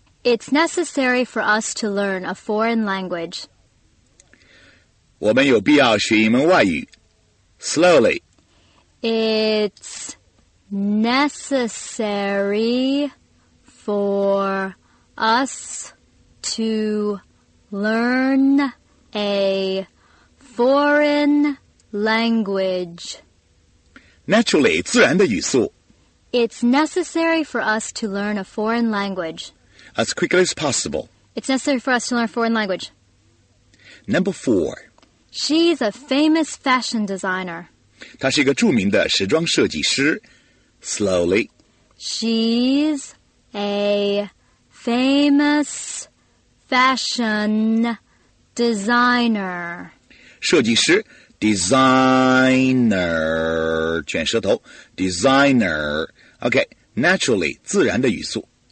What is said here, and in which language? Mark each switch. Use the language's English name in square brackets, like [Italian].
[English] It's necessary for us to learn a foreign language. [Chinese] 我们有必要学一门外语。 [English] Slowly. It's necessary for us to learn a... Foreign language. Naturally, [Chinese] 自然的语速。 [English] It's necessary for us to learn a foreign language. As quickly as possible. It's necessary for us to learn a foreign language. Number four. She's a famous fashion designer. [Chinese] 她是一个著名的时装设计师。 [English] Slowly. She's a famous fashion designer. [Chinese] 设计师 [English] designer [Chinese] 卷舌头 [English] designer OK naturally [Chinese] 自然的语速